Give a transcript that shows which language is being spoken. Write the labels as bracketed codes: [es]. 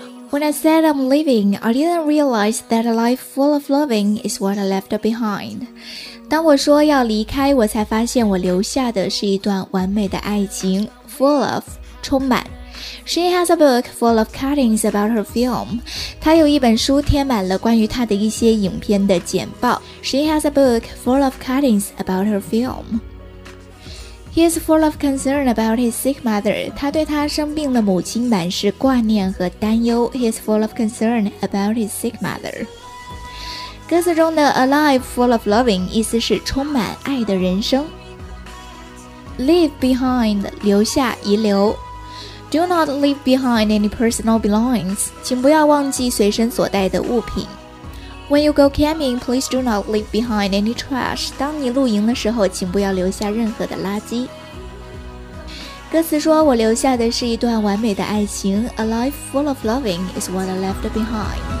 [en] When I said I'm leaving, I didn't realize that a life full of loving is what I left behind. [zh] 当我说要离开，我才发现我留下的是一段完美的爱情。 [en] Full of, 充满。 She has a book full of cuttings about her film. [zh] 她有一本书贴满了关于她的一些影片的简报。 [en] She has a book full of cuttings about her film. He is full of concern about his sick mother. [zh] 他对他生病的母亲满是挂念和担忧。 [en] He is full of concern about his sick mother. [zh] 歌词中的 [en] alive full of loving [zh] 意思是充满爱的人生。 [en] Leave behind, 留下遗留。Do not leave behind any personal belongings. [zh] 请不要忘记随身所带的物品。 [en] When you go camping, please do not leave behind any trash. [zh] 当你露营的时候，请不要留下任何的垃圾。歌词说，我留下的是一段完美的爱情。 [en] A life full of loving is what I left behind.